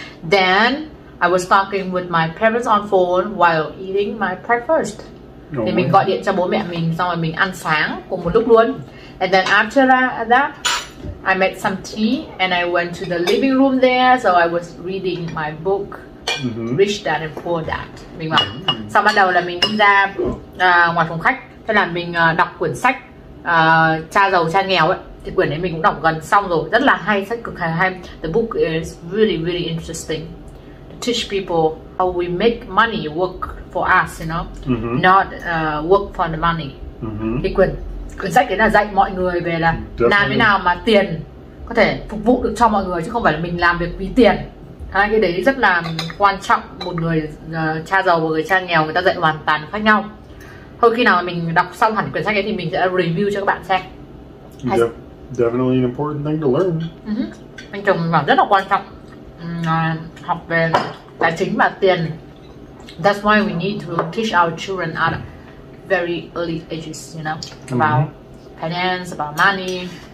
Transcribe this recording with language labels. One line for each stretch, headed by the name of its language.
English: Then I was talking with my parents on phone while eating my breakfast.
Vietnamese: Thì mình gọi điện cho bố mẹ mình xong rồi mình ăn sáng cùng một lúc luôn.
English: And then after that, I made some tea and I went to the living room there, so I was reading my book. Rich Dad and Poor Dad.
Vietnamese: Mình bảo sau bắt đầu là mình đi ra ngoài phòng khách, thế là mình đọc quyển sách Cha giàu cha nghèo ấy. Thì quyển đấy mình cũng đọc gần xong rồi, rất là hay, sách cực kỳ hay.
English: The book is really really interesting. To teach people how we make money work for us, you know, not work for the money.
Vietnamese: Thì quyển sách đấy là dạy mọi người về là làm thế nào mà tiền có thể phục vụ được cho mọi người, chứ không phải là mình làm việc vì tiền. Hai cái đấy rất là quan trọng. Một người cha giàu và người cha nghèo, người ta dạy hoàn toàn khác nhau. Thôi khi nào mình đọc xong hẳn quyển sách ấy thì mình sẽ review cho các bạn xem.
English: Definitely an important thing to learn.
Vietnamese: Anh chồng bảo rất là quan trọng học về tài chính và tiền.
English: That's why we need to teach our children at very early ages, you know, about finance, about money.